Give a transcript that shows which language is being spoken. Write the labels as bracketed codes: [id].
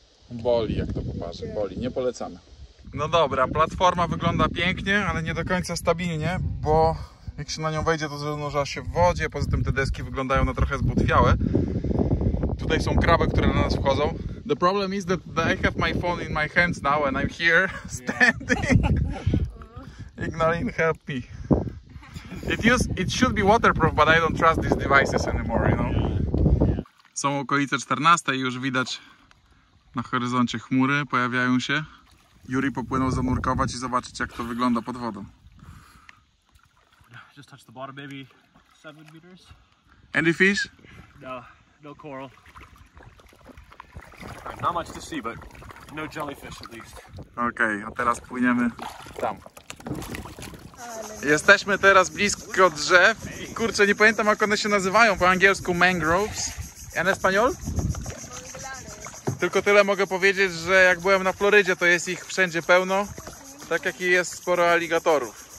[pl] Boli, jak to poparzy, boli. Nie polecamy. No dobra, platforma wygląda pięknie, ale nie do końca stabilnie, bo jak się na nią wejdzie, to zanurza się w wodzie, poza tym te deski wyglądają na trochę zbutwiałe. Tutaj są kraby, które na nas wchodzą. [en] The problem is that I have my phone in my hands now and I'm here standing. Ignalin, help me. It should be waterproof, but I don't trust these devices anymore, you know. [pl] Są okolice 14 i już widać na horyzoncie chmury, pojawiają się. Yuri popłynął zanurkować i zobaczyć jak to wygląda pod wodą. [en] Just touched the bottom, maybe 7 meters. Any fish? No coral. Right, not much to see, but no jellyfish at least. [pl] Okay, a teraz płyniemy tam. Jesteśmy teraz blisko drzew. Kurczę, nie pamiętam jak one się nazywają po angielsku mangroves. [es] En español? [pl] Tylko tyle mogę powiedzieć, że jak byłem na Florydzie, to jest ich wszędzie pełno, tak jak i jest sporo aligatorów.